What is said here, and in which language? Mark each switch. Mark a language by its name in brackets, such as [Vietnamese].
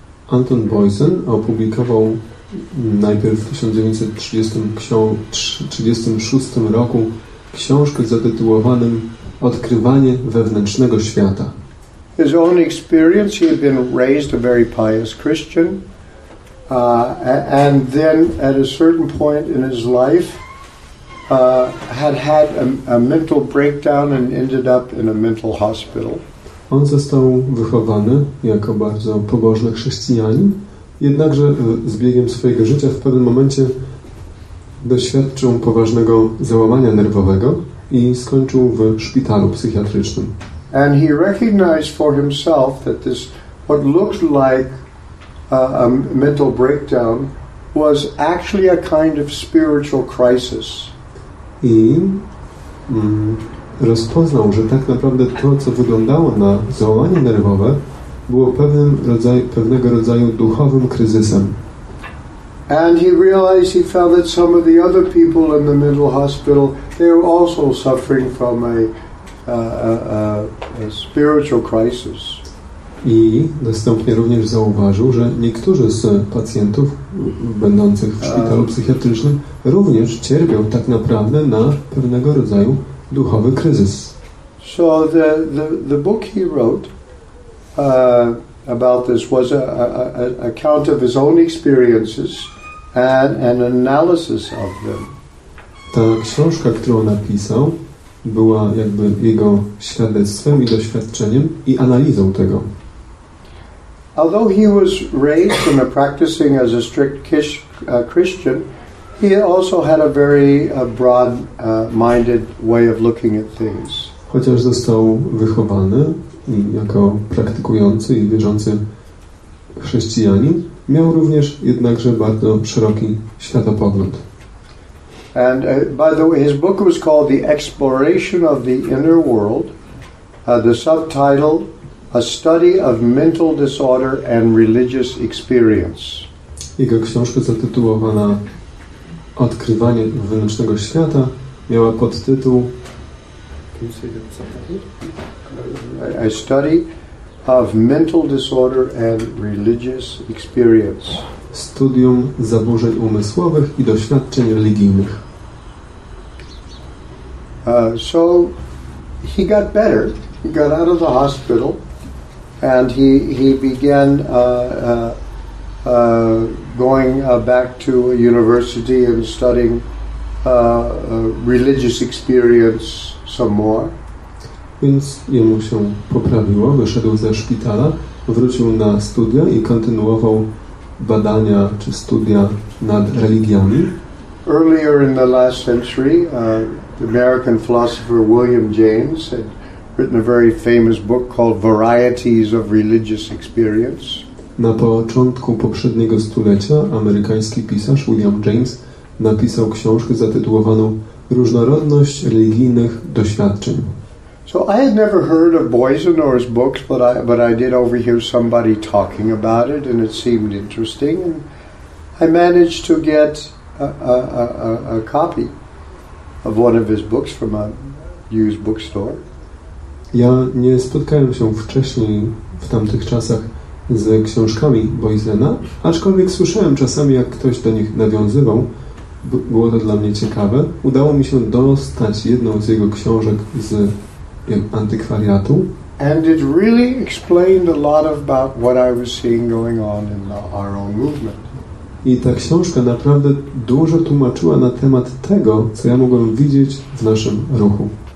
[Polish] Anton Boysen opublikował najpierw w 1936 roku książkę zatytułowaną Odkrywanie wewnętrznego świata. [English] His own experience, he had been raised a very pious Christian, and then at a certain point in his life had a mental breakdown and ended up in a mental hospital. [Polish] On został wychowany jako bardzo pobożny chrześcijanin, jednakże z biegiem swojego życia w pewnym momencie doświadczył poważnego załamania nerwowego i skończył w szpitalu psychiatrycznym. [English] And he recognized for himself that this, what looked like a mental breakdown, was actually a kind of spiritual crisis. [Polish] i rozpoznał, że tak naprawdę to, co wyglądało na załamanie nerwowe, było pewnego rodzaju duchowym kryzysem. [English] And he realized, he felt that some of the other people in the mental hospital, they were also suffering from a spiritual crisis. [Polish] I następnie również zauważył, że niektórzy z pacjentów będących w szpitalu psychiatrycznym również cierpią tak naprawdę na pewnego rodzaju duchowy kryzys. [English] So the book he wrote about this was an account of his own experiences and an analysis of them. [Polish] Ta książka, którą napisał, była jakby jego świadectwem i doświadczeniem i analizą tego. [English] Although he was raised and practicing as a strict Christian, he also had a very broad-minded way of looking at things. [Polish] Chociaż został wychowany jako praktykujący i wierzący chrześcijanin, miał również jednakże bardzo szeroki światopogląd. [English] And by the way, his book was called The Exploration of the Inner World, the subtitle A Study of Mental Disorder and Religious Experience. [Polish] Jego książka zatytułowana Odkrywanie wewnętrznego świata miała podtytuł [English] A Study of Mental Disorder and Religious Experience. [Polish] Studium zaburzeń umysłowych i doświadczeń religijnych. [English] So he got better. He got out of the hospital. And he began going back to a university and studying religious experience some more. [Polish] Więc jemu się poprawiło, wyszedł ze szpitala, wrócił na studia i kontynuował badania czy studia nad religiami. [English] Earlier in the last century, the American philosopher William James said, written a very famous book called Varieties of Religious Experience. [Polish] Na początku poprzedniego stulecia amerykański pisarz William James napisał książkę zatytułowaną Różnorodność religijnych doświadczeń. [English] So I had never heard of Boisenor's books, but I did overhear somebody talking about it, and it seemed interesting, and I managed to get a copy of one of his books from a used bookstore. [Polish] Ja nie spotkałem się wcześniej w tamtych czasach z książkami Boisena, aczkolwiek słyszałem czasami, jak ktoś do nich nawiązywał. Było to dla mnie ciekawe. Udało mi się dostać jedną z jego książek z antykwariatu. [English] And it really explained a lot about what I was seeing going on in our own movement. [Polish] I ta książka naprawdę dużo tłumaczyła na temat tego, co ja mogłem widzieć w naszym ruchu.